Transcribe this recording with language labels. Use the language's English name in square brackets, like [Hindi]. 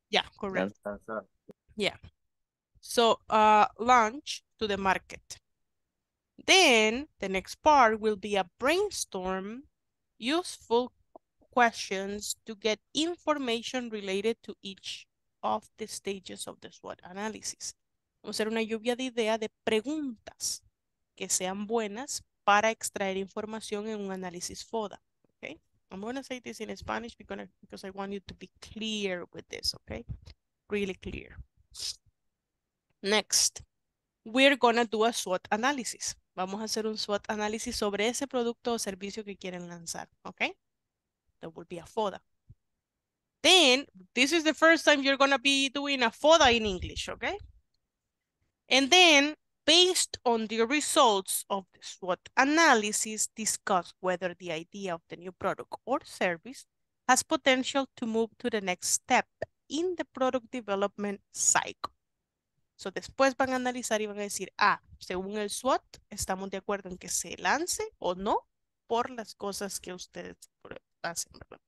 [English] Yeah, correct. Yeah. So launch to the market. Then the next part will be a brainstorm, useful questions to get information related to each of the stages of the SWOT analysis. [Spanish] Vamos a hacer una lluvia de ideas de preguntas que sean buenas para extraer información en un análisis FODA. [English] I'm going to say this in Spanish because I want you to be clear with this, okay? Really clear. Next, we're going to do a SWOT analysis. [Spanish] Vamos a hacer un SWOT analysis sobre ese producto o servicio que quieren lanzar, okay? [English] That will be a FODA. Then, this is the first time you're going to be doing a FODA in English, okay? And then, based on the results of the SWOT analysis, discuss whether the idea of the new product or service has potential to move to the next step in the product development cycle. [Spanish] So después van a analizar y van a decir, ah, según el SWOT, estamos de acuerdo en que se lance o no por las cosas que ustedes hacen, ¿verdad?